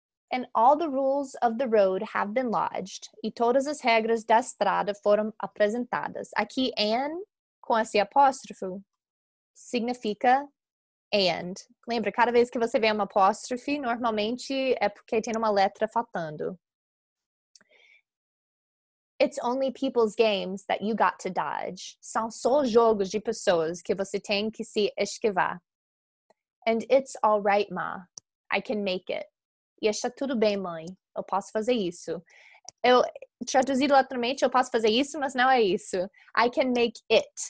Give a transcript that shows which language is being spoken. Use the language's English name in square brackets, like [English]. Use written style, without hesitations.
[English] And all the rules of the road have been lodged. [Portuguese] E todas as regras da estrada foram apresentadas. Aqui, and, com esse apóstrofo, significa and. Lembra, cada vez que você vê um apóstrofe, normalmente é porque tem uma letra faltando. [English] It's only people's games that you got to dodge. [Portuguese] São só jogos de pessoas que você tem que se esquivar. [English] And it's all right, Ma. I can make it. [Portuguese] E está tudo bem, mãe. Eu posso fazer isso. Eu traduzi literalmente, eu posso fazer isso, mas não é isso. [English] I can make it.